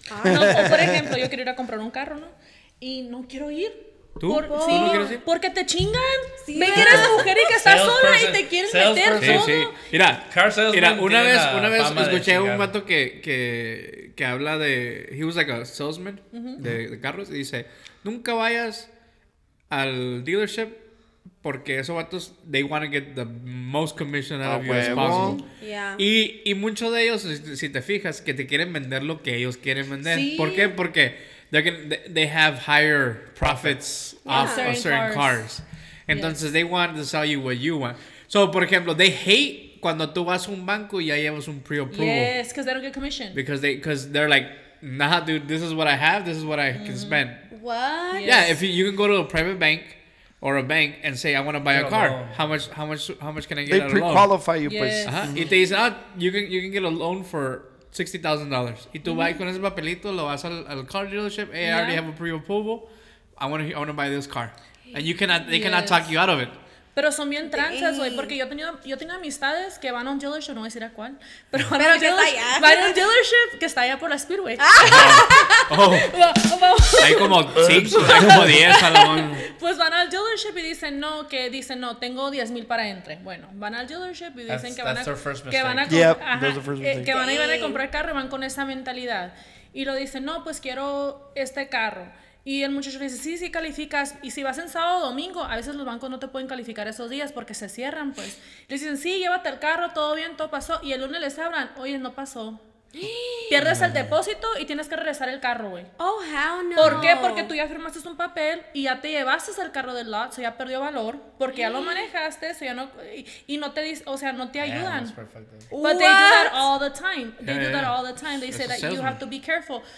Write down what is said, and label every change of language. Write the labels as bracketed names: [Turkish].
[Spanish] No, por ejemplo, yo quiero ir a comprar un carro, ¿no? Y no quiero ir. ¿Tú? Por, ¿tú sí, no quieres ir? Porque te chingan. Sí, ven que eres mujer y que estás sola y te quieren meter todo. Sí, sí. Mira, car sales, mira, una vez escuché a un vato que habla de... [English] He was like a salesman [Spanish] de carros y dice, nunca vayas al dealership porque esos vatos, [English] they want to get the most commission out of you as possible. Yeah. [Spanish] Y muchos de ellos, si te fijas, que te quieren vender lo que ellos quieren vender. ¿Sí? ¿Por qué? Porque... [English] They have higher profits off of certain cars. [Spanish] Entonces, [English] they want to sell you what you want. [Spanish] So, por ejemplo, [English] they hate [Spanish] cuando tú vas a un banco y ya llevas un pre-approval. [English] Yes, because they don't get commission. Because they're like, nah, dude, this is what I have. This is what I can spend. What? Yeah, if you can go to a private bank or a bank and say, I want to buy a car. How much can I get out of loan? They pre-qualify you, please. [Spanish] Y te dicen, [English] you can get a loan for... [Spanish] $60,000. Y tú vas con ese papelito, lo vas al car dealership. [English] Hey, I already have a pre-approval. I want to buy this car. And they cannot talk you out of it. [Spanish] Pero son bien tranzas, güey, porque yo tenía amistades que van a un dealership, no voy a decir a cuál, pero van a un dealership que está allá por la Speedway. Hay como 6, hay como 10 a la mano. Pues van al dealership y dicen, no, tengo 10,000 para entre. Bueno, van al dealership y dicen que van a ir a comprar carro y van con esa mentalidad. Y lo dicen, no, pues quiero este carro. Y el muchacho le dice, sí, sí calificas. Y si vas en sábado o domingo, a veces los bancos no te pueden calificar esos días porque se cierran, pues. Le dicen, sí, llévate el carro, todo bien, todo pasó. Y el lunes les hablan, oye, no pasó. Pierdes el depósito y tienes que regresar el carro, güey. [English] Oh, hell no. [Spanish] ¿Por qué? Porque tú ya firmaste un papel y ya te llevaste el carro del lot, so ya perdió valor, porque ya lo manejaste, so ya no, y no te dis, o sea, no te ayudan. [English] Yeah, that's perfect. But they do that all the time. They say that you have to be careful.